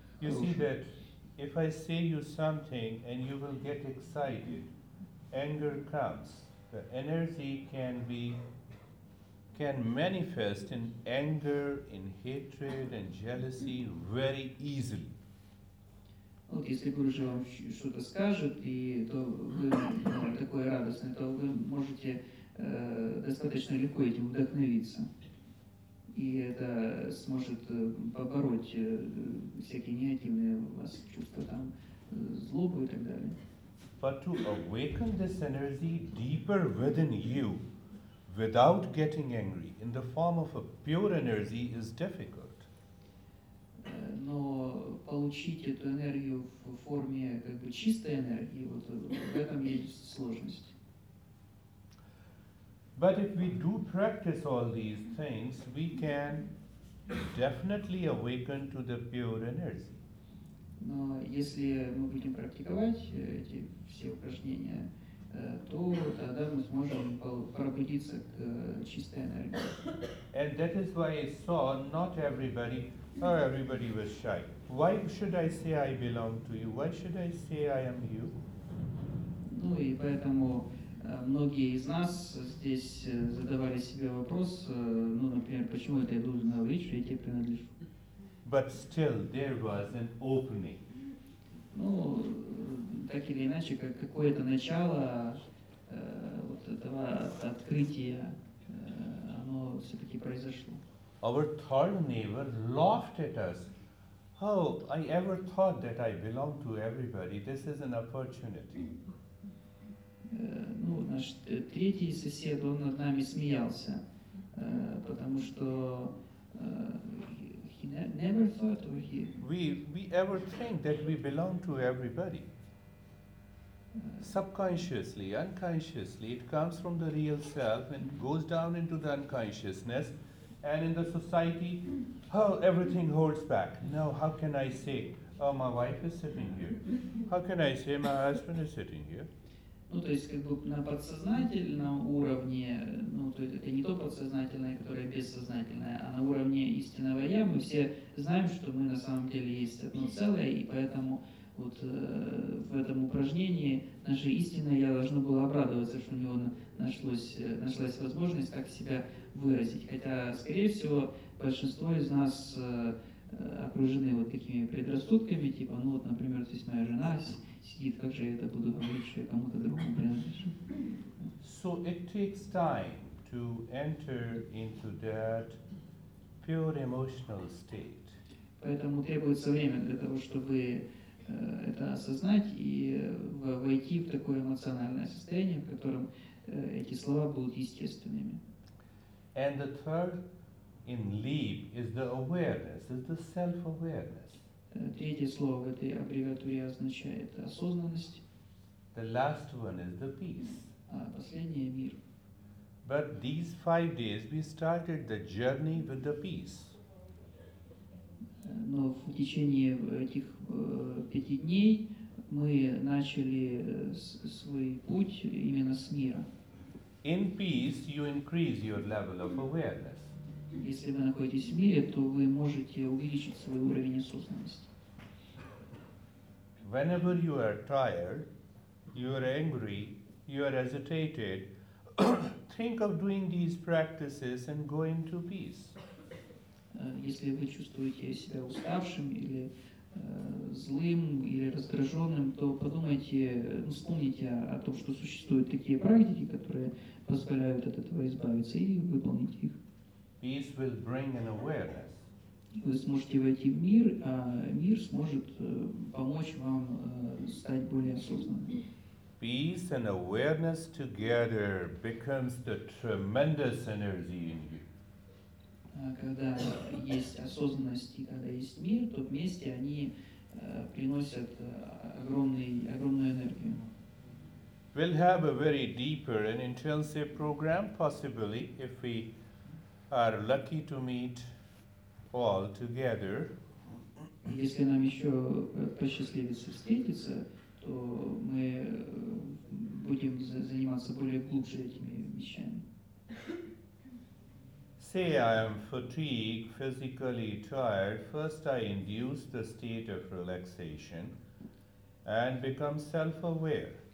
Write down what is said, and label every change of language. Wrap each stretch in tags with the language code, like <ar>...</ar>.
<en>You see that if I say you something and you will get excited, anger comes, the energy can manifest in anger, in hatred, and jealousy very easily.</en> <ru>Вот если Гуруджи вам что-то скажет, и то вы такой радостный, то вы можете достаточно легко этим вдохновиться. И это сможет побороть всякие негативные у вас чувства, там, злобу и так далее.</ru> <en>But to awaken this energy deeper within you, without getting angry, in the form of a pure energy, is difficult.</en> <ru>Но получить эту энергию в форме как бы чистой энергии, вот в этом есть сложность.</ru> <en>But if we do practice all these things, we can definitely awaken to the pure energy.</en> <ru>Но если мы будем практиковать эти все упражнения, то тогда мы сможем пробудиться к чистой энергии.</ru> <en>And that is why I saw not everybody, or everybody was shy. Why should I say I belong to you? Why should I say I am you?</en> <ru>Ну и поэтому многие из нас здесь задавали себе вопрос, ну, например, почему это я должен говорить, что я тебе принадлежу?</ru> <en>But still there was an opening.</en> <ru>Ну, так или иначе, как какое-то начало вот этого открытия, оно все-таки произошло.</ru> <en>Our third neighbor laughed at us. How I ever thought that I belong to everybody. This is an opportunity.</en> <ru>Ну, наш третий сосед, он над нами смеялся, потому что</ru> <en>he never thought or he... We ever think that we belong to everybody. Subconsciously, unconsciously, it comes from the real self and goes down into the unconsciousness, and in the society, oh, everything holds back. No, how can I say, oh, my wife is sitting here? How can I say my husband is sitting here?</en> <ru>Ну, то есть, как бы на подсознательном уровне, ну, то есть, это не то подсознательное, которое бессознательное, а на уровне истинного я, мы все знаем, что мы на самом деле есть одно целое, и поэтому вот в этом упражнении наше истинное я должно было обрадоваться, что у него нашлась возможность так себя выразить. Хотя, скорее всего, большинство из нас окружены вот такими предрассудками, типа, ну вот, например, здесь моя жена сидит, как же я это буду говорить, что я кому-то другому принадлежу.</ru> <en>So it takes time to enter into that pure emotional state.</en> <ru>Поэтому требуется время для того, чтобы это осознать и войти в такое эмоциональное состояние, в котором эти слова будут естественными.</ru> <en>And the third in leap is the awareness, is the self-awareness.</en> <ru>Третье слово в этой аббревиатуре означает осознанность.</ru> <en>The last one is the peace.</en> <ru>А последнее — мир.</ru> <en>But these 5 days we started the journey with the peace.</en> <ru>Но в течение этих 5 дней мы начали свой путь именно с мира.</ru> <en>In peace, you increase your level of awareness.</en> <ru>Если вы находитесь в мире, то вы можете увеличить свой уровень осознанности.</ru> <en>Whenever you are tired, you are angry, you are agitated, think of doing these practices and going to peace.</en> <ru>Если вы чувствуете себя уставшим или злым или раздраженным, то подумайте, ну, вспомните о том, что существуют такие практики, которые позволяют от этого избавиться, и выполните их.</ru> <en>Peace will bring an awareness.</en> <ru>Вы сможете войти в мир, а мир сможет помочь вам стать более осознанным.</ru> <en>Peace and awareness together becomes the tremendous energy in you.</en> <ru>Когда есть осознанность и когда есть мир, то вместе они приносят огромную энергию.</ru> <en>We'll have a very deeper and intensive program, possibly, if we are lucky to meet all together.</en> <ru>Если нам еще посчастливится встретиться, то мы будем заниматься более глубже этими вещами.</ru> <en>Say I am fatigued, physically tired, first I induce the state of relaxation and become self-aware.</en>